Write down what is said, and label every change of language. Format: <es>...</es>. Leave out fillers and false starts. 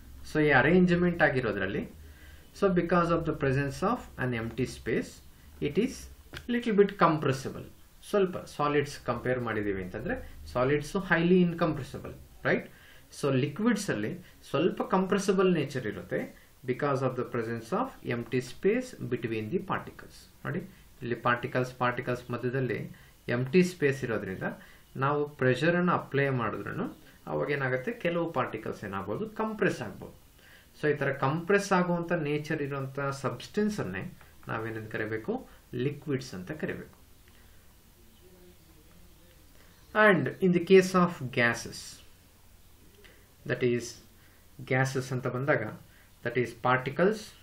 <en>So</en> <kn>ಈ arrangement ಆಗಿರೋದ್ರಲ್ಲಿ,</kn> <en>So because of the presence of an empty space, it is little bit compressible.</en> <kn>ಸ್ವಲ್ಪ solids compare ಮಾಡಿದ್ದೀವಿ ಅಂತಂದರೆ solids highly ಇನ್ಕಂಪ್ರೆಸಿಬಲ್, right? So ಲಿಕ್ವಿಡ್ಸಲ್ಲಿ ಸ್ವಲ್ಪ compressible nature ಇರುತ್ತೆ</kn> <en>because of the presence of empty space between the particles.</en> <kn>ನೋಡಿ, ಇಲ್ಲಿ particles ಮಧ್ಯದಲ್ಲಿ ಎಂಟಿ space ಇರೋದ್ರಿಂದ ನಾವು ಪ್ರೆಷರನ್ನು ಅಪ್ಲೈ ಮಾಡಿದ್ರೂ ಅವಾಗ ಏನಾಗುತ್ತೆ, ಕೆಲವು ಪಾರ್ಟಿಕಲ್ಸ್ ಏನಾಗ್ಬೋದು, ಕಂಪ್ರೆಸ್ ಆಗ್ಬೋದು. ಸೊ ಈ ಥರ ಕಂಪ್ರೆಸ್ ಆಗುವಂಥ ನೇಚರ್ ಇರುವಂಥ ಸಬ್ಸ್ಟೆನ್ಸನ್ನೇ ನಾವೇನಂತ ಕರಿಬೇಕು, ಲಿಕ್ವಿಡ್ಸ್ ಅಂತ ಕರಿಬೇಕು.</kn> <en>and in the case of gases, that is</en> <kn>gases ಅಂತ ಬಂದಾಗ,</kn> <en>that is particles</en>